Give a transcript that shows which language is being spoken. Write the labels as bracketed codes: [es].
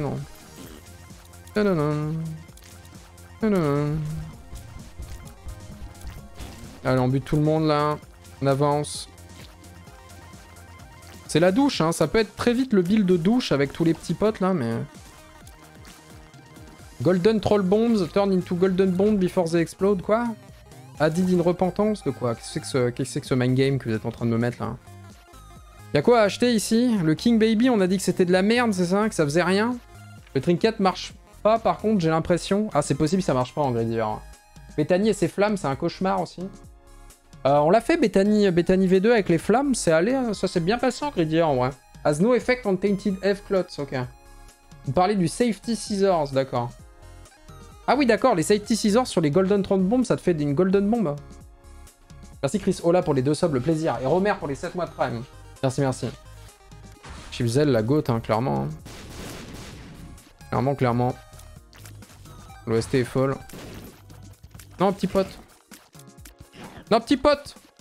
[fr] Non, non, non. Non, non, non. Allez, on bute tout le monde là. On avance. C'est la douche, hein. Ça peut être très vite le build de douche avec tous les petits potes, là, mais... [en] Golden Troll Bombs turn into Golden Bomb before they explode, quoi? Added in repentance, [fr] de quoi? Qu'est-ce que c'est que ce mind game que vous êtes en train de me mettre, là? Y'a quoi à acheter, ici? Le King Baby, on a dit que c'était de la merde, c'est ça? Que ça faisait rien? Le Trinket marche pas, par contre, j'ai l'impression... Ah, c'est possible, ça marche pas, en Gridiver. Bethany et ses flammes, c'est un cauchemar, aussi. On l'a fait, Bethany V2 avec les flammes, c'est allé, ça s'est bien passé en Gridiger en vrai. [en] Has no effect on tainted F clots, ok. [fr] Vous parlez du safety scissors, d'accord. Ah oui, d'accord, les safety scissors sur les golden 30 bombes, ça te fait une golden bombe. Merci Chris Ola pour les 2 subs, le plaisir. Et Romer pour les 7 mois de prime. Merci, merci. Chipzel, la goat, hein, clairement. Hein. Clairement, clairement. L'OST est folle. Non, petit pote. Non, petit pote!